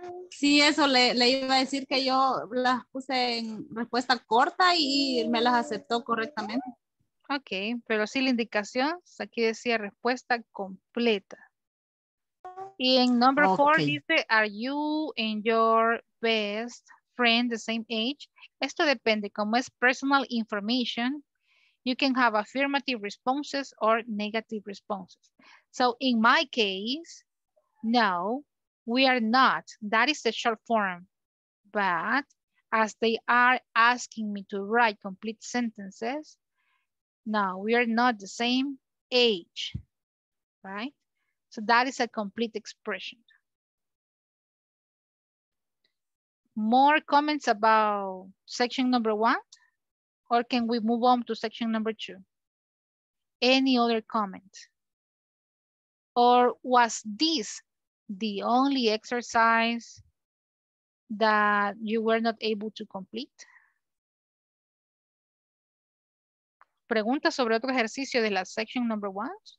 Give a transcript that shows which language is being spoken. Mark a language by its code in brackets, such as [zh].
[es] Sí, eso le iba a decir que yo las puse en respuesta corta y me las aceptó correctamente. Ok, pero sí la indicación, aquí decía respuesta completa. Y en [en] number four [es] dice, [en] are you and your best friend the same age? [es] Esto depende, como es [en] personal information, you can have affirmative responses or negative responses. So in my case, no, we are not. That is the short form. But as they are asking me to write complete sentences, no, we are not the same age, right? So that is a complete expression. More comments about section number one, or can we move on to section number two? Any other comment? Or was this the only exercise that you were not able to complete? [es] ¿Pregunta sobre otro ejercicio de la [en] section number one?